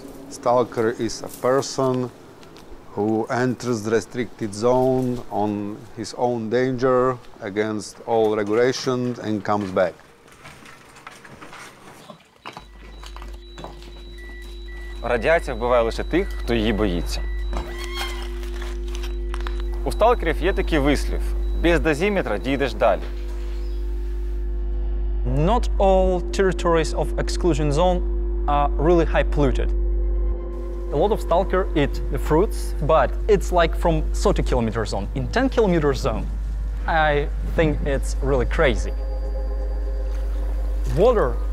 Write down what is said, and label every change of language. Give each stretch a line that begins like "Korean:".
English: Stalker is a person who enters the restricted zone on his own danger against all regulations and comes back.
Ukrainian: Радіація вбиває лише тих, хто її боїться. У сталкерів є такий вислів: без дозиметра дійдеш далі.
English: Not all territories of exclusion zone are really high polluted. A lot of stalker eat the fruits, but it's like from 30 kilometer zone. In 10 kilometer zone, I think it's really crazy. Water